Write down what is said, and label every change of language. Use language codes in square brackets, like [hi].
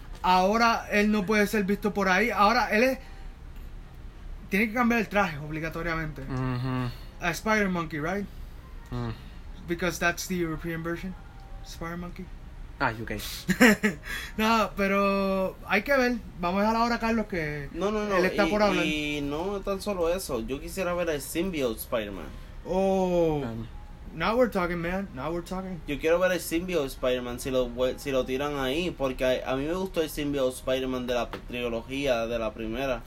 [es] Ahora él no puede ser visto por ahí. Ahora él es... Tiene que cambiar el traje obligatoriamente. Uh-huh. [en] A Spider-Monkey, right? Because that's the European version. Spider-Monkey. Ah, UK. [es] No, pero hay que ver. Vamos a dejar ahora a Carlos que... No. Él está por hablar. Y no tan solo eso. Yo quisiera ver el symbiote Spider-Man. [en] Oh, now we're talking, man. Now we're talking. [es] Yo quiero ver el symbiote Spider-Man, si lo tiran ahí, porque a mí me gustó el symbiote Spider-Man de la trilogía, de la primera.